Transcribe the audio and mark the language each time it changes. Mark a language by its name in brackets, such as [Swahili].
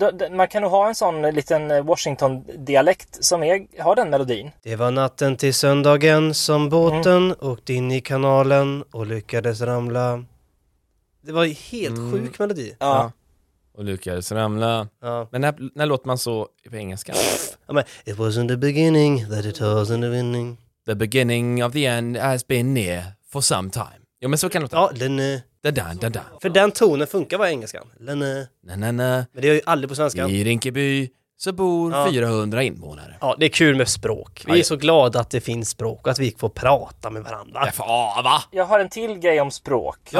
[Swedish] Man kan nog ha en sån liten Washington-dialekt som har den melodin. Det var natten till söndagen som båten åkte in i kanalen och lyckades ramla. Det var helt sjuk melodi. Ja. Och lyckades ramla. Ja. Men när låter man så på engelska? [English] I mean, it was in the beginning that it was in the winning. The beginning of the end has been near for some time. [Swedish] Ja, men så kan det låta. Ja, Lenny. Da-da-da-da. För den tonen funkar var engelskan. Lene. Na-na-na. Men det är ju aldrig på svenska. I Rinkeby så bor 400 invånare. Ja, det är kul med språk. Vi är så glada att det finns språk och att vi får prata med varandra. Jag har en till grej om språk.